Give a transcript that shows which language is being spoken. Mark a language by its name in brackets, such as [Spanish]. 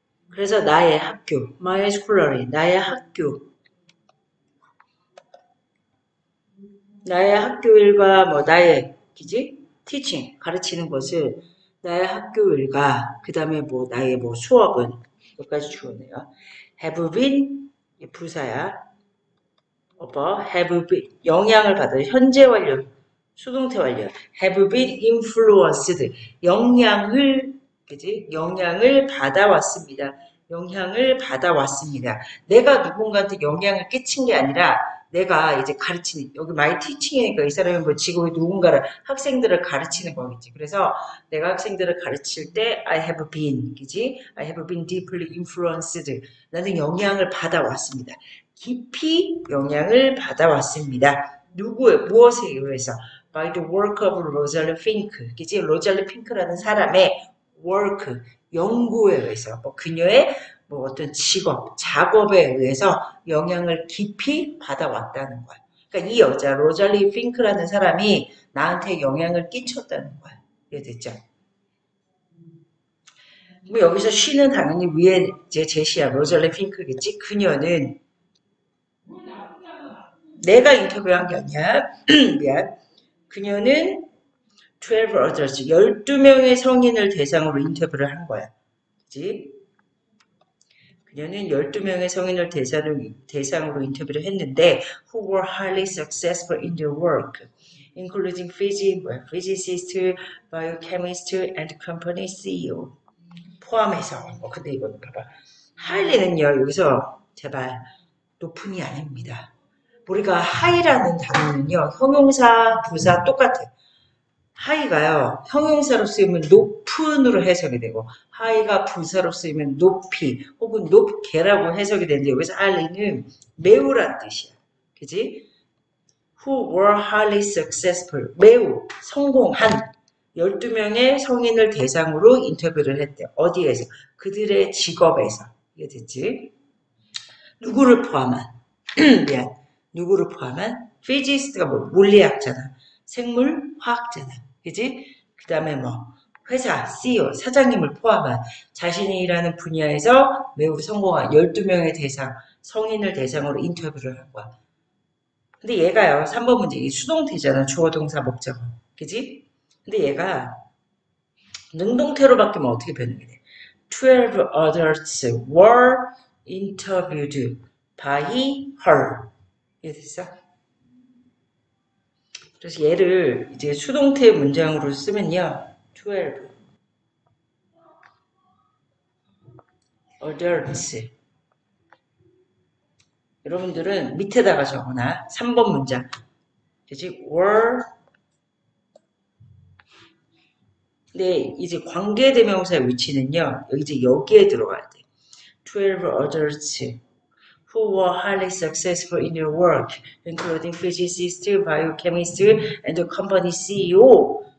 [Korean] 그래서 나의 학교, [English] my school, [Korean] 나의 학교. 나의 학교 일과, 뭐, 나의, 기지? teaching, 가르치는 것을, 나의 학교 일과, 그 다음에 뭐, 나의 뭐, 수업은, 여기까지 주었네요. [English] have been, 부사야. over, have been, [Korean] 영향을 받은, 현재 완료, 수동태 완료. [English] have been influenced, [Korean] 영향을, 그지? 영향을 받아왔습니다. 영향을 받아왔습니다. 내가 누군가한테 영향을 끼친 게 아니라, 내가 이제 가르치는, 여기 [English] my teaching이니까 [Korean] 이 사람이 뭐 지금 누군가를, 학생들을 가르치는 거겠지. 그래서 내가 학생들을 가르칠 때, [English] I have been, [Korean] 그지? [English] I have been deeply influenced. [Korean] 나는 영향을 받아왔습니다. 깊이 영향을 받아왔습니다. 누구의, 무엇에 의해서? [English] By the work of Rosalind Fink, [Korean] 그지? Rosalind Fink라는 사람의 work, 연구에 의해서, 뭐 그녀의 뭐 어떤 직업, 작업에 의해서 영향을 깊이 받아왔다는 거야. 그러니까 이 여자, 로잘리 핑크라는 사람이 나한테 영향을 끼쳤다는 거야. 이해됐죠? 뭐 여기서 she는 당연히 위에 제시야, 로잘리 핑크겠지? 그녀는 내가 인터뷰한 게 아니야. 미안. 그녀는 [English] 12 others, [Korean] 12명의 성인을 대상으로 인터뷰를 한 거야. 그지? 그녀는 12명의 성인을 대상으로 인터뷰를 했는데, [English] who were highly successful in their work, including physicist, biochemist, and company CEO. [Korean] 포함해서. 뭐, 근데 이거는 봐봐. highly는요, 여기서, 제발, 높음이 아닙니다. 우리가 high라는 단어는요, 형용사, 부사 똑같아요. high가요, 형용사로 쓰이면 높은으로 해석이 되고, high가 부사로 쓰이면 높이, 혹은 높게라고 해석이 되는데, 여기서 highly는 매우란 뜻이야. 그지? [English] Who were highly successful. [Korean] 매우 성공한 12명의 성인을 대상으로 인터뷰를 했대. 어디에서? 그들의 직업에서. 이해됐지? 누구를 포함한? 미안. 누구를 포함한? physicist가 뭐, 물리학자나, 생물, 화학자나. 그지? 그 다음에 뭐, 회사, CEO, 사장님을 포함한 자신이 일하는 분야에서 매우 성공한 12명의 대상, 성인을 대상으로 인터뷰를 한 거야. 근데 얘가요, 3번 문제, 이게 수동태잖아. 주어, 동사, 목적어. 그지? 근데 얘가 능동태로 바뀌면 어떻게 변하게 돼? [English] 12 others were interviewed by her. [Korean] 이해됐어? 그래서 얘를 이제 수동태 문장으로 쓰면요, [English] 12 others. [Korean] 여러분들은 밑에다가 적어놔. 3번 문장. 그지? were. 근데 이제 관계대명사의 위치는요, 이제 여기에 들어가야 돼. [English] 12 others. Who were highly successful in their work, including physicist, biochemist, and company CEO.